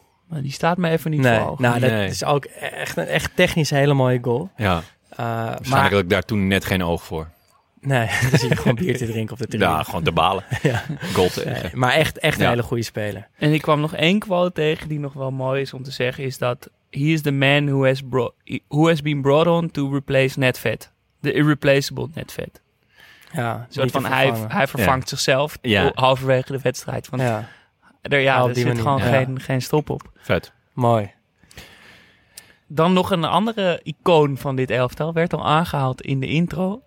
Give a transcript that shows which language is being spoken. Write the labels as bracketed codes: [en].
[nl] Maar die staat me even niet voor ogen. Nou, dat is ook echt technisch een hele mooie goal. Ja. Waarschijnlijk had ik daar toen net geen oog voor. Nee, dan zie je gewoon bier te drinken op de tribune. Ja, gewoon te balen. Ja. Goal te echt. Nee, maar echt een hele goede speler. En ik kwam nog één quote tegen die nog wel mooi is om te zeggen. Is dat, [en] he is the man who has been brought on to replace Nedved. The irreplaceable Nedved. [nl] Ja, soort van hij vervangt zichzelf halverwege de wedstrijd. Want er zit gewoon geen stop op. Vet. Mooi. Dan nog een andere icoon van dit elftal. Werd al aangehaald in de intro.